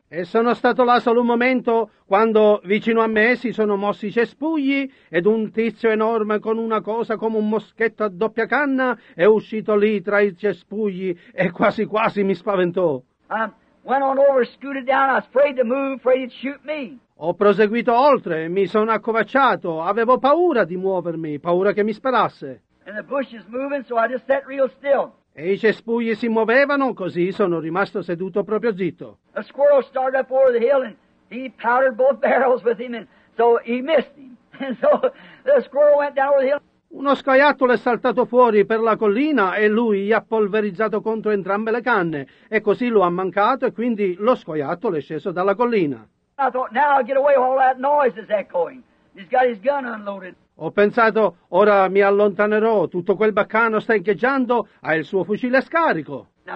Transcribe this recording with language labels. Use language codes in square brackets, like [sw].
[it] E sono stato là solo un momento quando vicino a me si sono mossi i cespugli ed un tizio enorme con una cosa come un moschetto a doppia canna è uscito lì tra i cespugli e quasi quasi mi spaventò. [en] Went on over, scooted down, I was afraid to move, afraid he'd shoot me. [it] Ho proseguito oltre, mi sono accovacciato, avevo paura di muovermi, paura che mi sparasse. [en] And the bush is moving, so I just sat real still. [it] E i cespugli si muovevano, così sono rimasto seduto proprio zitto. [en] A squirrel started up over the hill and he powdered both barrels with him and so he missed him. And so the squirrel went down over the hill. [it] Uno scoiattolo è saltato fuori per la collina e lui gli ha polverizzato contro entrambe le canne e così lo ha mancato e quindi lo scoiattolo è sceso dalla collina. [en] I thought, now I'll get away while all that noise is echoing. He's got his gun unloaded. [it] Ho pensato, ora mi allontanerò, tutto quel baccano sta incheggiando, ha il suo fucile a scarico.